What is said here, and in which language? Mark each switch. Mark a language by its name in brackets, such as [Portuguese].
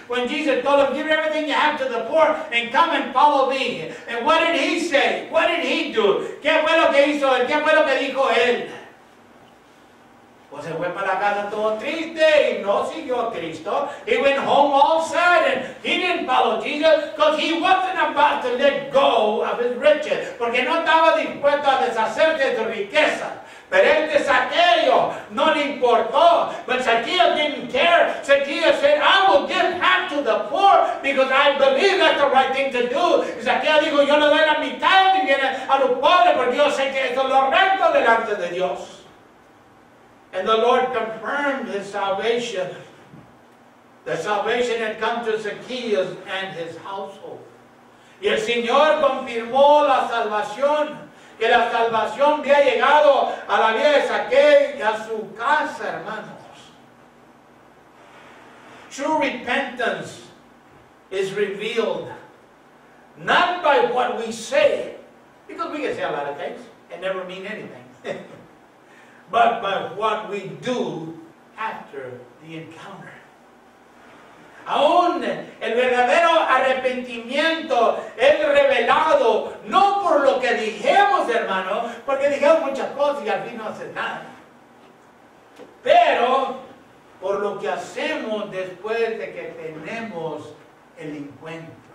[English] When Jesus told him, give everything you have to the poor and come and follow me. And what did he say? What did he do? [Spanish] ¿Qué fue lo que hizo él? ¿Qué fue lo que dijo él? Pues se fue para casa todo triste y no siguió a Cristo. [English] He went home all sad and he didn't follow Jesus because he wasn't about to let go of his riches. [Spanish] Porque no estaba dispuesto a deshacerse de su riqueza. Pero este Zaqueo no le importó. [English] But Zaqueo didn't care. Zaqueo said, I will give half to the poor because I believe that's the right thing to do. [Spanish] Zaqueo dijo, yo le doy la mitad de mi bien a los pobres porque yo sé que eso es lo recto delante de Dios. [English] And the Lord confirmed his salvation. The salvation had come to Zacchaeus and his household. [Spanish] Y el Señor confirmó la salvación. Que la salvación había llegado a la vida de Zacchaeus y a su casa, hermanos. [English] True repentance is revealed not by what we say, because we can say a lot of things and never mean anything. But by what we do after the encounter. [Spanish] Aún el verdadero arrepentimiento es revelado no por lo que dijimos, hermano, porque dijimos muchas cosas y al fin no hacen nada. Pero por lo que hacemos después de que tenemos el encuentro.